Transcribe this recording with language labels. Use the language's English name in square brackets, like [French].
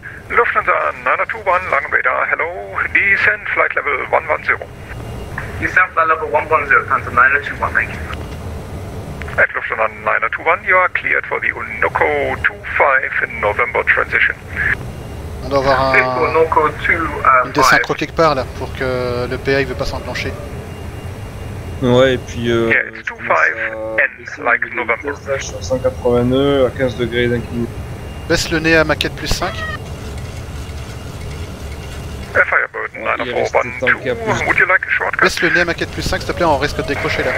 [English] Lufthansa 921, Lang Radar, hello, descend flight level 110. Descend flight level 110, Lufthansa 921, thank you. At Lufthansa 921, you are cleared for the Unoco 25 in November transition. [French] On doit avoir un dessin croc quelque part là pour que le PA il veut pas s'enclencher. Ouais, et puis [English] yeah, it's 25 end like November. [French] Je suis à 180 nœuds à 15 degrés d'inclinaison. Baisse le nez à maquette plus 5. [English] Would you like a shortcut? [French] Baisse le nez à maquette plus 5 s'il te plaît, on risque de décrocher là.